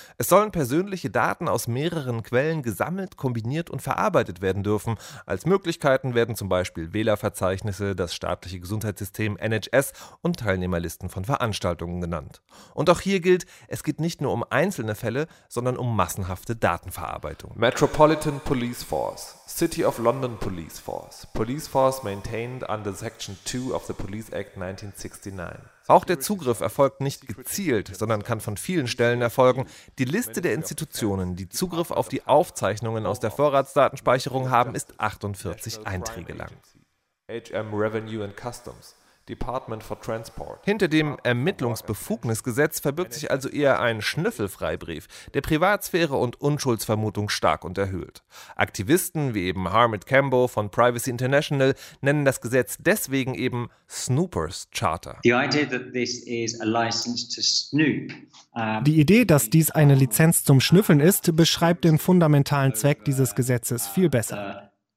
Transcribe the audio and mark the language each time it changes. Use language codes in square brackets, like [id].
[de] Es sollen persönliche Daten aus mehreren Quellen gesammelt, kombiniert und verarbeitet werden dürfen. Als Möglichkeiten werden zum Beispiel Wählerverzeichnisse, das staatliche Gesundheitssystem NHS und Teilnehmerlisten von Veranstaltungen genannt. Und auch hier gilt, es geht nicht nur um einzelne Fälle, sondern um massenhafte Datenverarbeitung. [en] Metropolitan Police Force, City of London Police Force, Police Force maintained under Section 2 of the Police Act 1969. [de] Auch der Zugriff erfolgt nicht gezielt, sondern kann von vielen Stellen erfolgen. Die Liste der Institutionen, die Zugriff auf die Aufzeichnungen aus der Vorratsdatenspeicherung haben, ist 48 Einträge lang. [en] HM Revenue and Customs, Department for Transport. [de] Hinter dem Ermittlungsbefugnisgesetz verbirgt sich also eher ein Schnüffelfreibrief, der Privatsphäre und Unschuldsvermutung stark unterhöhlt. Aktivisten wie eben Harmit Cambo von Privacy International nennen das Gesetz deswegen eben Snoopers Charter. Die Idee, dass dies eine Lizenz zum Schnüffeln ist, beschreibt den fundamentalen Zweck dieses Gesetzes viel besser.